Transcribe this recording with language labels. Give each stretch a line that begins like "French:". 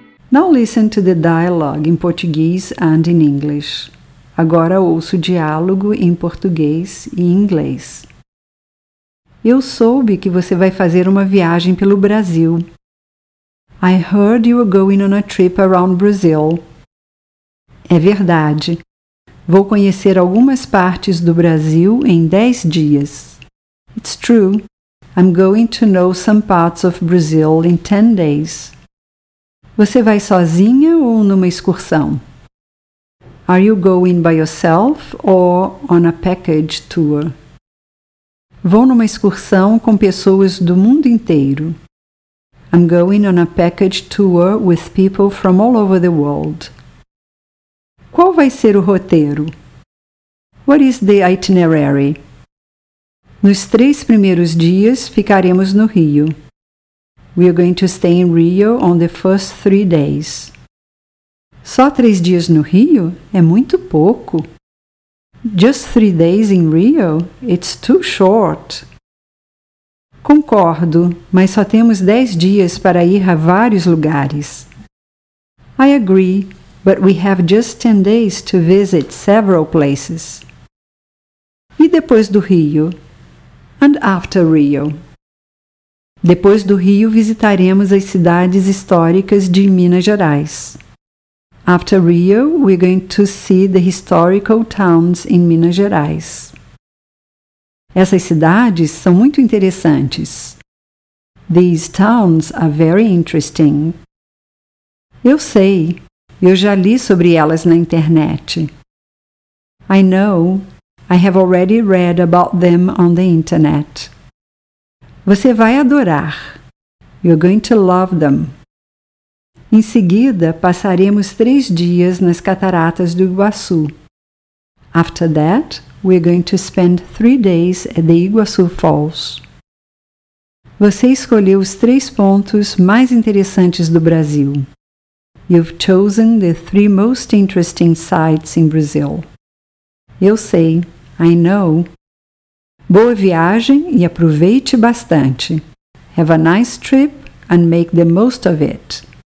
English: Now listen to the dialogue in Portuguese and in English.
Portuguese: Agora ouço o diálogo em português e inglês. Eu soube que você vai fazer uma viagem pelo Brasil.
English: I heard you were going on a trip around Brazil.
Portuguese: É verdade. Vou conhecer algumas partes do Brasil em 10 dias.
English: It's true. I'm going to know some parts of Brazil in 10 days.
Portuguese: Você vai sozinha ou numa excursão?
English: Are you going by yourself or on a package tour?
Portuguese: Vou numa excursão com pessoas do mundo inteiro.
English: I'm going on a package tour with people from all over the world.
Portuguese: Qual vai ser o roteiro?
English: What is the itinerary?
Portuguese: Nos 3 primeiros dias ficaremos no Rio.
English: We are going to stay in Rio on the first 3 days.
Portuguese: Só 3 dias no Rio? É muito pouco.
English: Just 3 days in Rio? It's too short.
Portuguese: Concordo, mas só temos 10 dias para ir a vários lugares.
English: I agree, but we have just 10 days to visit several places.
Portuguese: E depois do Rio?
English: And after Rio?
Portuguese: Depois do Rio, visitaremos as cidades históricas de Minas Gerais.
English: After Rio, we're going to see the historical towns in Minas Gerais.
Portuguese: Essas cidades são muito interessantes.
English: These towns are very interesting.
Portuguese: Eu sei. Eu já li sobre elas na internet.
English: I know. I have already read about them on the internet.
Portuguese: Você vai adorar.
English: You're going to love them.
Portuguese: Em seguida, passaremos 3 dias nas Cataratas do Iguaçu.
English: After that, we're going to spend 3 days at the Iguaçu Falls.
Portuguese: Você escolheu os três pontos mais interessantes do Brasil.
English: You've chosen the three most interesting sites in Brazil.
Portuguese: Eu sei,
English: I know.
Portuguese: Boa viagem e aproveite bastante.
English: Have a nice trip and make the most of it.